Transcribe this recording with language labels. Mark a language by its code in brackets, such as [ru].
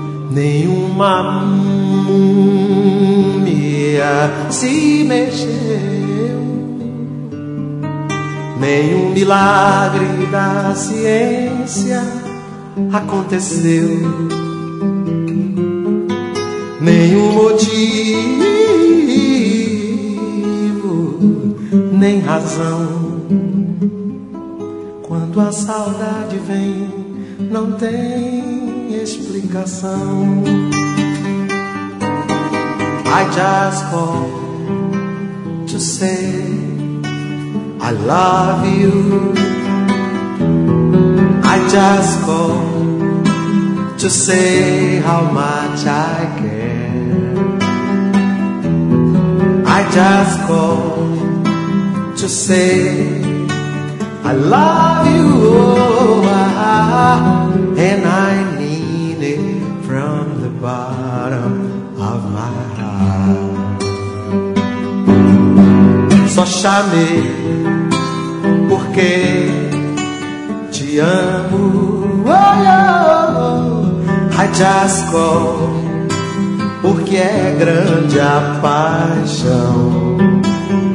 [pt] nenhuma múmia se mexeu, nenhum milagre da ciência aconteceu, nenhum motivo, nem razão. Quando a saudade vem, não tem explicação. [en] I just call to say I love you. I just call to say how much I care. I just call to say I love you, oh, and I mean it from the bottom of my heart. [pt] Só chamei porque te amo, oh, oh, oh. [en] I just call [pt] porque é grande a paixão.